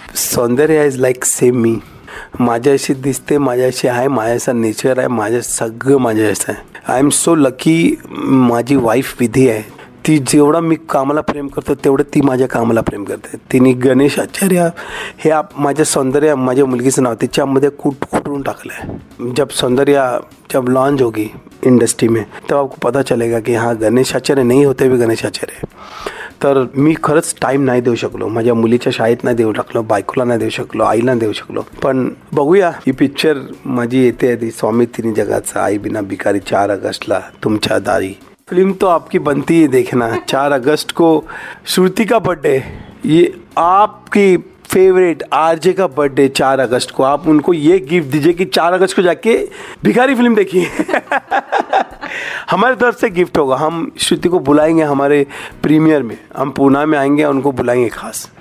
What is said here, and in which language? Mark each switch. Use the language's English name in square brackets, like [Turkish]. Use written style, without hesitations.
[Marathi] सौंदर्य [English] is like same me, [Marathi] माझ्याशी दिसते, माझ्याशी आहे, माझ्याचा नेचर आहे, माझ्या सगळं माझ्या असं आहे. [English] I am so lucky, [Marathi] माझी वाईफ विधी आहे, ती जेवढा मी कामाला प्रेम करतो तेवढं ती माझ्या कामाला प्रेम करते. तिने गणेश आचार्य हे माझ्या सौंदर्य माझ्या मुलगीचं नाव तिच्यामध्ये कूट खुटून टाकलं आहे. [Hindi] जब सौंदर्य जब लॉन्च होगी इंडस्ट्री में तब आपको पता चलेगा कि हाँ गणेश आचार्य नहीं होते भी गणेश आचार्य. [Marathi] तर मी खरंच टाईम नाही देऊ शकलो, माझ्या मुलीच्या शाळेत नाही देऊ टाकलो, बायकोला नाही देऊ शकलो, आईला देऊ शकलो. पण बघूया ही पिक्चर माझी येते आहे ती स्वामी तिन्ही जगाचा, आई बिना भिकारी, 4 ऑगस्टला तुमच्या दारी. [Hindi] फिल्म तो आपकी बनती है देखना, 4 अगस्त को श्रुति का बर्थडे, ये आपकी फेवरेट आरजे का बर्थडे 4 अगस्त को, आप उनको ये गिफ्ट दीजिए कि 4 अगस्त को जाके भिखारी फिल्म देखिए. हमारे तरफ से गिफ्ट होगा, हम श्रुति को बुलाएंगे हमारे प्रीमियर में, हम पूना में आएंगे उनको बुलाएंगे खास.